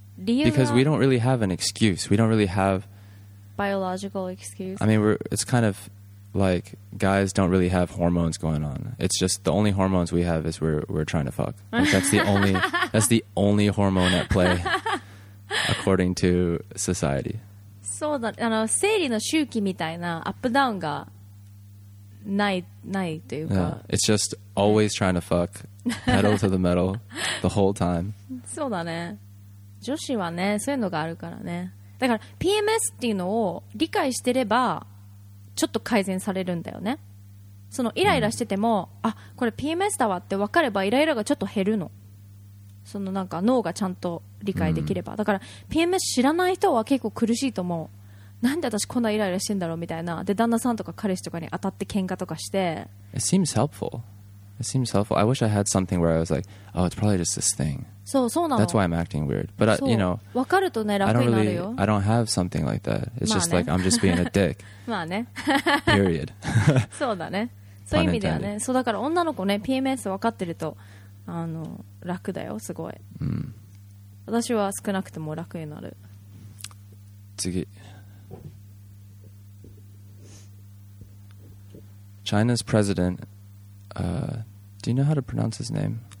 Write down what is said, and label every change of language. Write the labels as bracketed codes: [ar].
[en] Because we don't really have an excuse. We don't really have biological excuse. I mean, it's kind of like guys don't really have hormones going on. It's just the only hormones we have is we're trying to fuck. Like, that's the only hormone at play, according to society. [ja] そうだ、あの、生理の周期みたいなアップダウンがないというか。 [en] Yeah. It's just always trying to fuck, pedal to the metal, the whole time. [ja] そうだね。女子はね、そういうのがあるからね。だから、PMS っていうのを理解してれば、ちょっと改善されるんだよね。その、イライラしてても、mm. あ、これ PMS だわって分かれば、イライラがちょっと減るの。そのなんか脳がちゃんと理解できれば、うん、だから PMS 知らない人は結構苦しいと思う。なんで私こんなイライラしてんだろうみたいな。で、旦那さんとか彼氏とかに当たって喧嘩とかして。 [en] It seems helpful. It seems helpful. I wish I had something where I was like, oh, it's probably just this thing. [ja] そう、そうなの。 [en] That's why I'm acting weird. But I, you know, [ja] 分かるとね、楽になるよ。 [en] I don't have something like that. It's、 [ja] まあね、 [en] just like I'm just being a dick. [ja] まあね。 [en] Period. [ja] そうだね。そういう意味ではね。そうだから女の子ね、PMS 分かってると。あの楽だよすごい、うん、私は少なくても楽になる。次、 [en] China's president、Do you know how to pronounce his name?